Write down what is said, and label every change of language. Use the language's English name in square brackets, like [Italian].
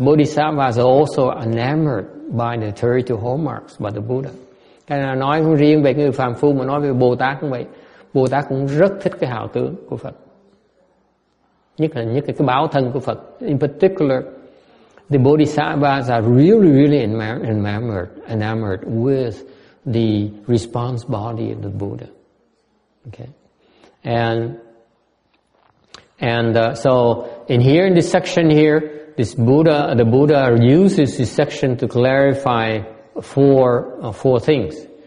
[English] Bodhisattvas are also enamored by the 32 hallmarks by the Buddha. [Vietnamese] Cái này nói không riêng về người phàm phu mà nói về Bồ Tát cũng vậy. Bồ Tát cũng rất thích cái hào tướng của Phật. Nhất là cái báo thân của Phật. [English] In particular, the bodhisattvas are really, really enamored with the response body of the Buddha. Okay? So in here, in this section here, the Buddha uses this section to clarify four things.